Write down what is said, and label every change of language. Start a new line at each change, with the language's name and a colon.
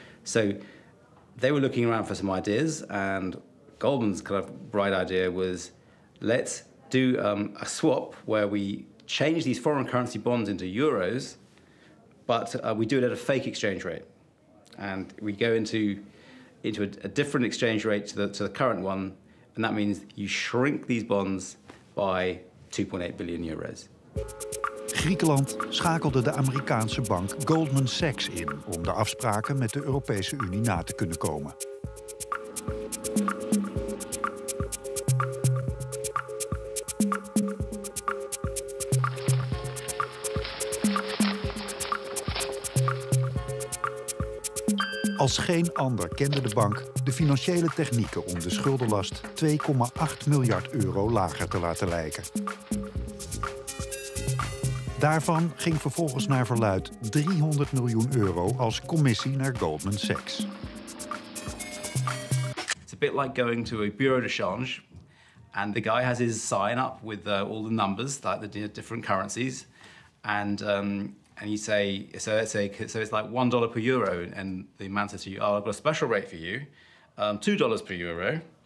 English: So they were looking around for some ideas, and Goldman's kind of bright idea was, let's do a swap where we change these foreign currency bonds into euros. But we do it at a fake exchange rate. And we go into a different exchange rate to the current one. And that means you shrink these bonds by 2.8 billion euros.
Dutch: Griekenland schakelde de Amerikaanse bank Goldman Sachs in om de afspraken met de Europese Unie na te kunnen komen. Als geen ander kende de bank de financiële technieken om de schuldenlast 2,8 miljard euro lager te laten lijken. Daarvan ging vervolgens naar verluid 300 miljoen euro als commissie naar Goldman Sachs.
English: It's a bit like going to a bureau de change and the guy has his sign up with all the numbers, like the different currencies, and you say, so it's like $1 per euro, and the man says to you, oh, I've got a special rate for you, $2 per euro.